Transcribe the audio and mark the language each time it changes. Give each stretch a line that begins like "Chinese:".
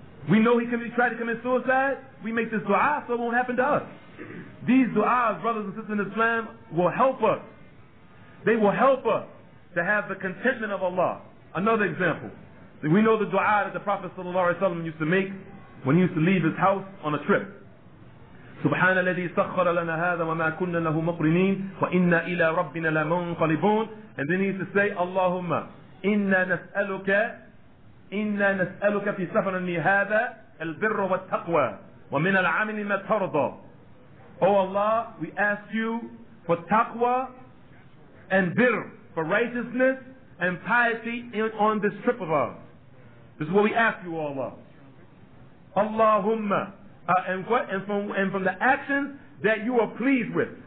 English: We know he can be tried to commit suicide. We make this dua so it won't happen to us. These duas, brothers and sisters in Islam, will help us. They will help us. to have the contentment of Allah. Another example. We know the dua that the Prophet ﷺ used to make when he used to leave his house on a trip.
Arabic: سبحان الذي سخر لنا هذا وما كنا له مقرنين وإنا إلى ربنا لمنقلبون.
English: And then he used to say,
Arabic: اللهم إنا نسألك في سفرني هذا البر والتقوى ومن العمل ما ترضى.
English: Oh Allah, we ask you for taqwa and birr, for righteousness and piety on this trip of ours. This is what we ask you, O Allah. Allahumma. And from the actions that you are pleased with.